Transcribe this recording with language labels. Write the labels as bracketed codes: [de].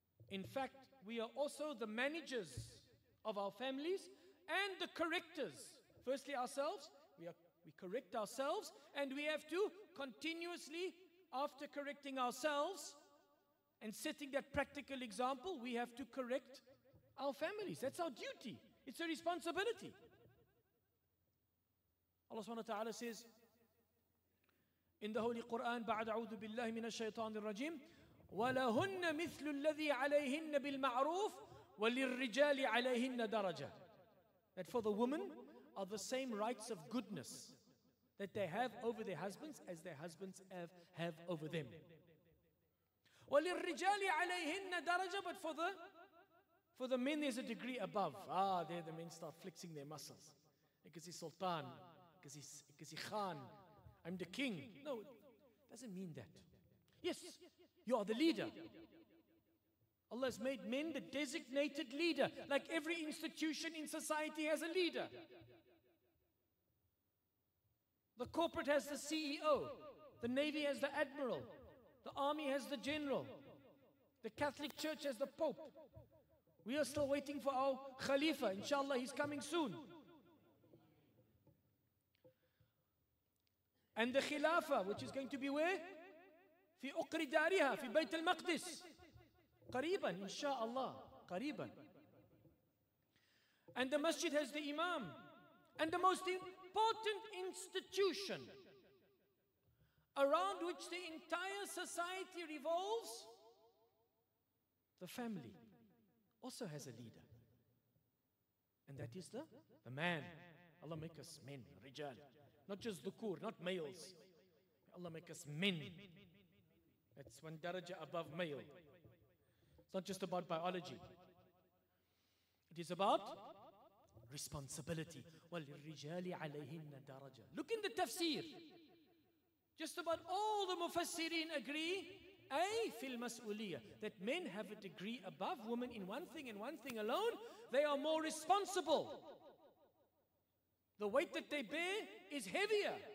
[en] In fact, we are also the managers of our families and the correctors. Firstly, ourselves, we are We correct ourselves, and we have to continuously, after correcting ourselves and setting that practical example, we have to correct our families. That's our duty. It's a responsibility. Allah subhanahu wa ta'ala says in the Holy Quran, [ar] بعد أعوذ بالله من الشيطان الرجيم ولهن مثل الذي عليهن بالمعروف وللرجال عليهن درجة. [en] That for the women are the same rights of goodness that they have over their husbands as their husbands have over them. [ar] وللرجال عليهن درجة. [en] But for the men there's a degree above. There the men start flexing their muscles because he's sultan, because he's khan. I'm the king. No, it doesn't mean that. Yes, you are the leader. Allah has made men the designated leader, like every institution in society has a leader. The corporate has the CEO. The Navy has the Admiral. The Army has the General. The Catholic Church has the Pope. We are still waiting for our Khalifa. Inshallah, he's coming soon. And the Khilafah, which is going to be where? [ar] في أقر داريها في بيت المقدس قريبا إن شاء الله قريبا. [en] And the masjid has the imam. And the most important institution around which the entire society revolves, the family, also has a leader. And that is the man. Allah make us men, rijal. Not just dhukur, not males. Allah make us men. That's one daraja above male. It's not just about biology. It is about responsibility. [ar] وَالْرِجَالِ عَلَيْهِنَّ daraja. [en] Look in the tafsir. Just about all the mufassirin agree, A, fil mas'uliyah, that men have a degree above women in one thing and one thing alone, they are more responsible. The weight that they bear is heavier.